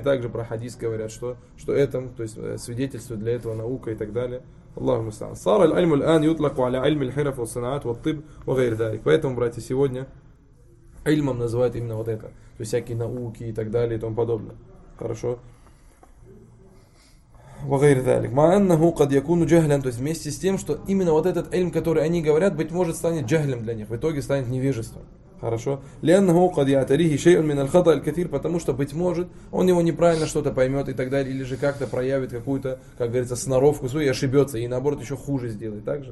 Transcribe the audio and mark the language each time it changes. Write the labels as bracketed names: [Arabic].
[Russian] Также про хадис говорят, что это, то есть свидетельство для этого наука и так далее. [Arabic] Аллаху мустаан. صَارَ الْعِلْمُ الْآنِ يُطْلَقُ عَلَى عِلْمِ الْحِرَفِ وَالصَّنَاعَاتِ وَالطِّبِّ وَغَيْرِ ذَلِكَ. [Russian] Поэтому, братья, сегодня ильмом называют именно вот это. То есть всякие науки и так далее и тому подобное. Хорошо? [Arabic] وغير ذلك ما انه قد يكون جهلا. [Russian] То есть вместе с тем, что именно вот этот ильм, который они говорят, быть может, станет джахлем для них, в итоге станет невежеством. Хорошо. [Arabic] لانه قد يعتريه شيء من الخطا الكثير, [Russian] потому что быть может, он его неправильно что-то поймёт и так далее, или же как-то проявит какую-то, как говорится, сноровку свою и ошибётся, и наоборот ещё хуже сделает также.